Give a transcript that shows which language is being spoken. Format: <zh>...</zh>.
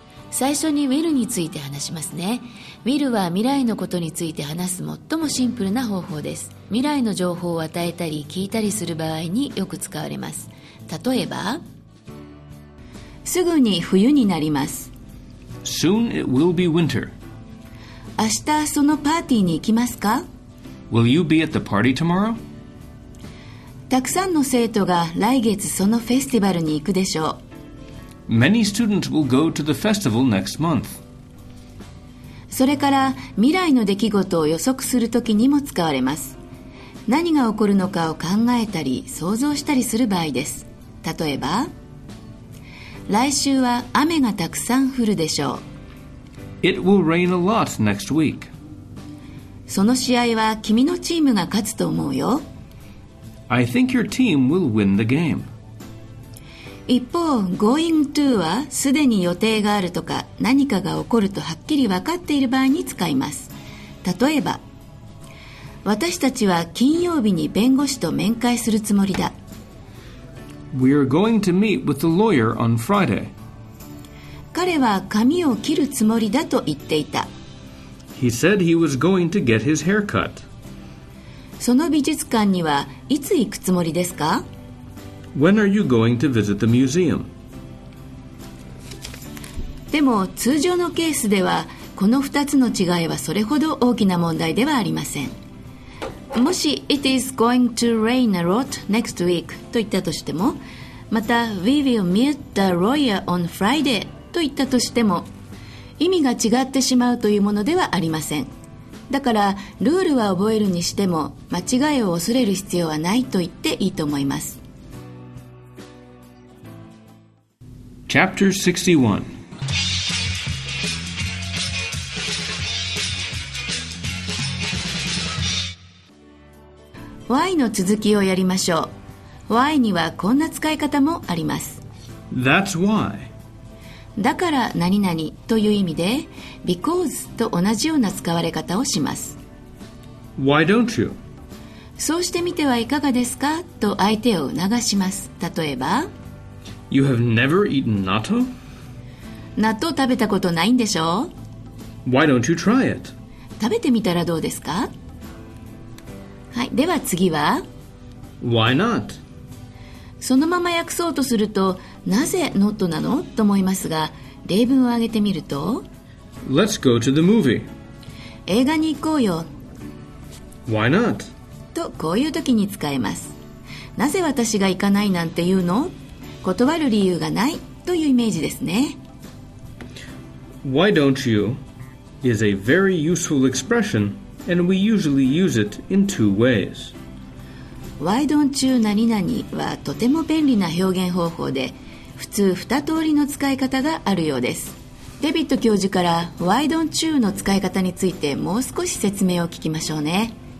<ja>最初にウィルについて話しますね。ウィルは未来のことについて話す最もシンプルな方法です。未来の情報を与えたり聞いたりする場合によく使われます。例えば、すぐに冬になります。</ja> <en>Soon it will be winter.</en> <ja>明日そのパーティーに行きますか?</ja> <en>Will you be at the party tomorrow?</en> <ja>たくさんの生徒が来月そのフェスティバルに行くでしょう。</ja> <en>Many students will go to the festival next month.</en> <ja>それから未来の出来事を予測するときにも使われます。何が起こるのかを考えたり想像したりする場合です。例えば、来週は雨がたくさん降るでしょう。</ja> <en>It will rain a lot next week.</en> <ja>その試合は君のチームが勝つと思うよ。</ja> <en>I think your team will win the game.</en> <ja>一方、going to はすでに予定があるとか何かが起こるとはっきり分かっている場合に使います。例えば、私たちは金曜日に弁護士と面会するつもりだ。</ja> <en>We are going to meet with the lawyer on Friday.</en> <ja>彼は髪を切るつもりだと言っていた。</ja> <en>He said he was going to get his hair cut.</en> <ja>その美術館にはいつ行くつもりですか?</ja> <en>When are you going to visit the museum?</en> <ja>でも通常のケースではこの2つの違いはそれほど大きな問題ではありません。もし</ja> <en>It is going to rain a lot next week</en> <ja>と言ったとしても、また</ja> <en>We will meet the lawyer on Friday</en> <ja>と言ったとしても、意味が違ってしまうというものではありません。だからルールは覚えるにしても間違いを恐れる必要はないと言っていいと思います。</ja> <en>Chapter 61</en> <ja>Y の続きをやりましょう Y にはこんな使い方もあります</ja> <en>That's why</en> <ja>だから何々という意味で Because と同じような使われ方をします</ja> <en>Why don't you?</en> <ja>そうしてみてはいかがですかと相手を促します例えば</ja> <en>You have never eaten natto?</en> <ja>納豆食べたことないんでしょ?</ja> <en>Why don't you try it?</en> <ja>食べてみたらどうですか? はい、では次は?</ja> <en>Why not?</en> <ja>そのまま訳そうとすると、なぜ not なの? と思いますが、例文を挙げてみると</ja> <en>Let's go to the movie.</en> <ja>映画に行こうよ。</ja> <en>Why not?</en> <ja>とこういう時に使えます。なぜ私が行かないなんて言うの? 断る理由がないというイメージですね。</ja> <en>Why don't you? is a very useful expression and we usually use it in two ways. Why don't you</en> <ja>何々はとても便利な表現方法で普通二通りの使い方があるようです。デビット教授から</ja> <en>Why don't you</en> <ja>の使い方についてもう少し説明を聞きましょうね。</ja>